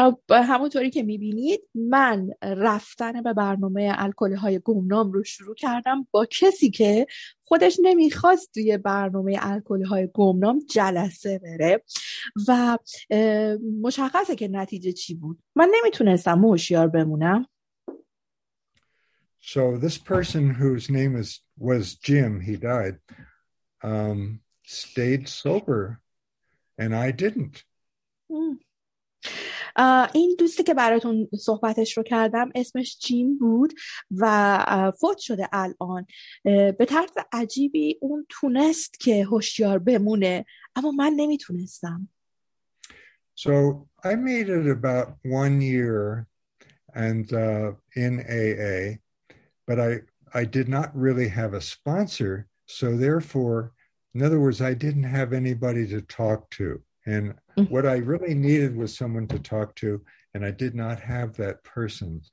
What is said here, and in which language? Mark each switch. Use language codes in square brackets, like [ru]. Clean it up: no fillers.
[fa] همونطوری که میبینید من رفتن به برنامه الکلی های گمنام رو شروع کردم با کسی که خودش نمیخواست توی برنامه الکلی های گمنام جلسه بره و مشخصه که نتیجه چی بود. من نمیتونستم هوشیار بمونم. [en] So this person whose name was Jim, he died, stayed sober and I didn't. [fa] این دوستی که براتون صحبتش رو کردم اسمش جیم بود و فوت شده الان. به طرز عجیبی اون تونست که هوشیار بمونه اما من نمیتونستم. [en] So I made it about one year and in AA, but I did not really have a sponsor, so therefore, in other words, I didn't have anybody to talk to. And what I really needed was someone to talk to, and I did not have that person.